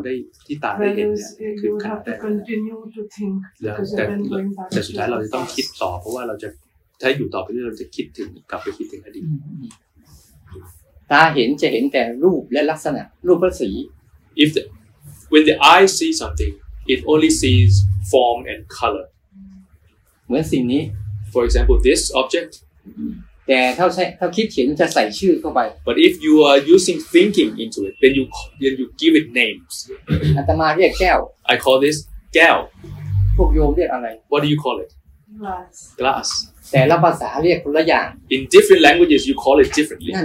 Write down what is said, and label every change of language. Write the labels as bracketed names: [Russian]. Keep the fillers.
[Thai] ได้ที่ตาได้เห็นเนี่ยคือขณะแรกแต่แต่สุดท้ายเราจะต้อง คิดต่อเพราะว่าเราจะถ้าอยู่ต่อไปเรื่อยเราจะคิดถึงกลับไปคิดถึงอดีต ตาเห็นจะเห็นแต่รูปและลักษณะรูปและสี [English] if the, when the eye sees something it only sees form and color [Thai] เหมือนสิ่งนี้ [English] for example this object [Thai] แต่ถ้าใช้ถ้าคิดเขียนจะใส่ชื่อเข้าไป [English] but if you are using thinking into it then you then you give it names [Thai] อัตมาเรียกแก้ว [English] I call this [Thai] แก้วพวกโยมเรียกอะไร [English] what do you call it glass glass [Thai] แต่ละ ภาษาเรียกคนละอย่าง [English] in different languages you call it differently [Thai] นั่